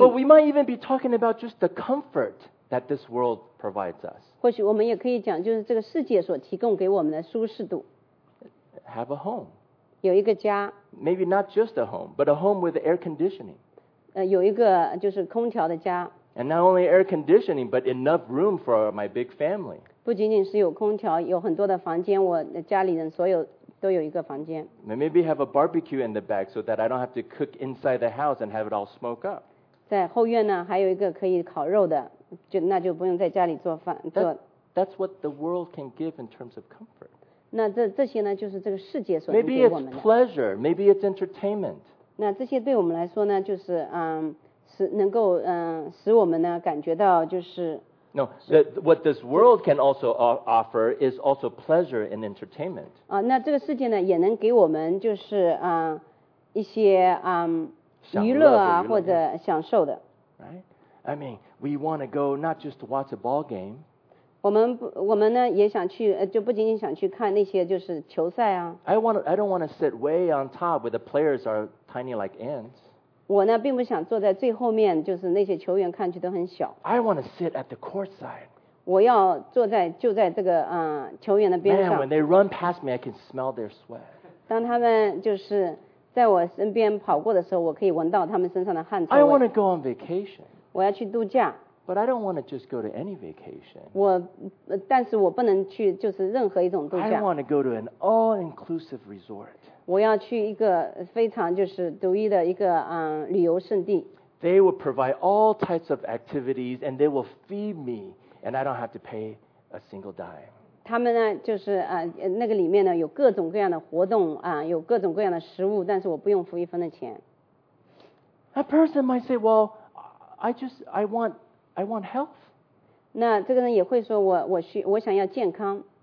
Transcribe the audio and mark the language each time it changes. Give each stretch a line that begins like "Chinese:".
English: But we might even be talking about just the comfort. That this world provides us.
Chinese: 或许我们也可以讲，就是这个世界所提供给我们的舒适度。
English: Have a home.
Chinese: 有一个家。
English: Maybe not just a home, but a home with air conditioning.
Chinese: 有一个就是空调的家。
English: And not only air conditioning, but enough room for my big family.
Chinese: 不仅仅是有空调，有很多的房间，我家里人所有都有一个房间。
English: Maybe have a barbecue in the back so that I don't have to cook inside the house and have it all smoke up.
Chinese: 在后院呢，还有一个可以烤肉的。那就不用在家里做饭做。
English: That's what the world can give in terms of comfort.
Chinese: 那这些呢，就是这个世界所能给我们的。
English: Maybe it's pleasure. Maybe it's entertainment.
Chinese: 那这些对我们来说呢，就是使能够使我们呢感觉到就是。
English: No, what this world can also offer is also pleasure and entertainment.
Chinese: 那这个世界呢，也能给我们就是一些娱乐啊或者享受的。
English: I mean, we want to go not just to watch a ball game.
Chinese: 我们呢也想去，就不仅仅想去看那些就是球赛啊。
English: I don't want to sit way on top where the players are tiny like ants.
Chinese: 我呢并不想坐在最后面，就是那些球员看去都很小。
English: I want to sit at the court side.
Chinese: 我要坐在就在这个球员的边上。
English: Man, when they run past me, I can smell their sweat.
Chinese: 当他们就是在我身边跑过的时候，我可以闻到他们身上的汗臭味。
English: I want to go on vacation.
Chinese: 我要去度假。
English: But I don't want to just go to any vacation.
Chinese: 但是我不能去就是任何一种度假。
English: I want to go to an all-inclusive resort.
Chinese: 我要去一个非常就是独一的一个旅游胜地。
English: They will provide all types of activities and they will feed me and I don't have to pay a single dime.
Chinese: 他们呢，就是那个里面呢有各种各样的活动啊，有各种各样的食物，但是我不用付一分的钱。
English: That person might say, "Well, I want health."
Chinese: 那这个人也会说，我想要健康。